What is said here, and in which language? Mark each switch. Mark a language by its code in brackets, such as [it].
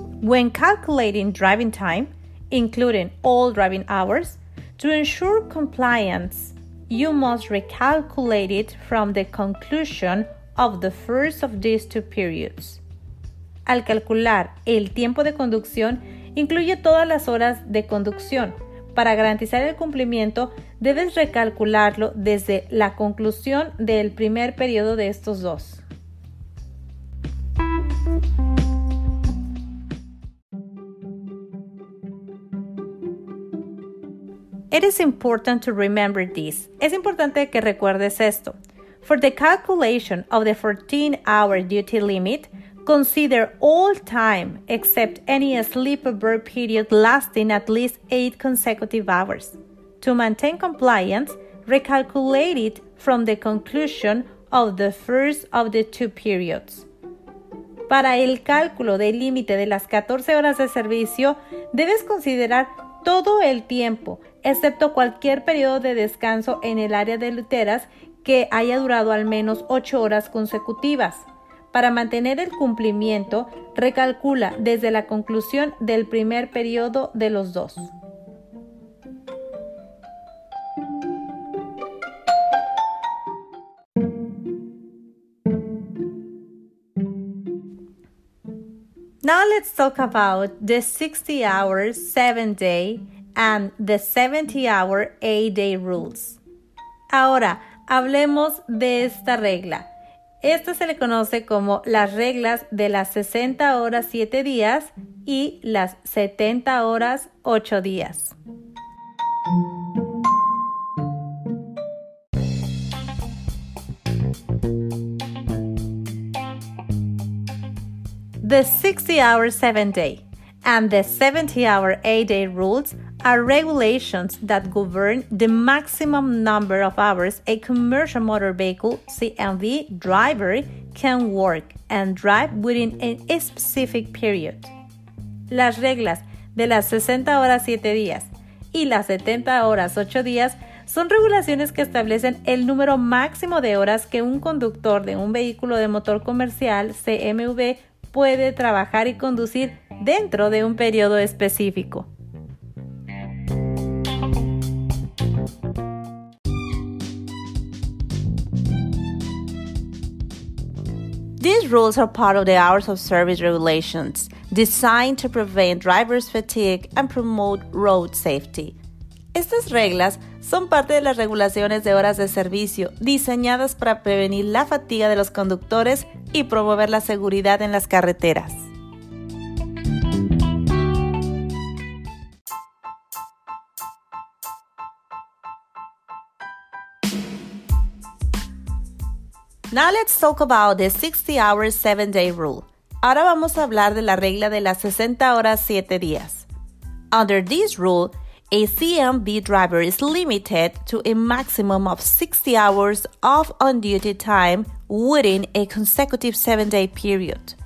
[en] When calculating driving time, including all driving hours, to ensure compliance, you must recalculate it from the conclusion of the first of these two periods. [es] Al calcular el tiempo de conducción, incluye todas las horas de conducción. Para garantizar el cumplimiento, debes recalcularlo desde la conclusión del primer periodo de estos dos. [en] It is important to remember this. [es] Es importante que recuerdes esto. [en] For the calculation of the 14-hour duty limit, consider all time except any sleeper berth period lasting at least 8 consecutive hours. To maintain compliance, recalculate it from the conclusion of the first of the two periods. [es] Para el cálculo del límite de las 14 horas de servicio, debes considerar todo el tiempo, excepto cualquier periodo de descanso en el área de literas que haya durado al menos 8 horas consecutivas. Para mantener el cumplimiento, recalcula desde la conclusión del primer periodo de los dos. [en] Now let's talk about the 60-hour, 7-day, and the 70-hour, 8-day rules. [es] Ahora, hablemos de esta regla. Esta se le conoce como las reglas de las 60 horas, 7 días y las 70 horas, 8 días. [en] The 60-hour, 7-day. and the 70-hour eight-day rules are regulations that govern the maximum number of hours a commercial motor vehicle CMV driver can work and drive within a specific period. [es] Las reglas de las 60 horas 7 días y las 70 horas 8 días son regulaciones que establecen el número máximo de horas que un conductor de un vehículo de motor comercial CMV puede trabajar y conducir dentro de un periodo específico. [en] These rules are part of the hours of service regulations designed to prevent driver's fatigue and promote road safety. [es] Estas reglas son parte de las regulaciones de horas de servicio diseñadas para prevenir la fatiga de los conductores y promover la seguridad en las carreteras. [en] Now let's talk about the 60-hour, 7-day rule. [es] Ahora vamos a hablar de la regla de las 60 horas, 7 días. [en] Under this rule, a CMV driver is limited to a maximum of 60 hours of on-duty time within a consecutive 7-day period.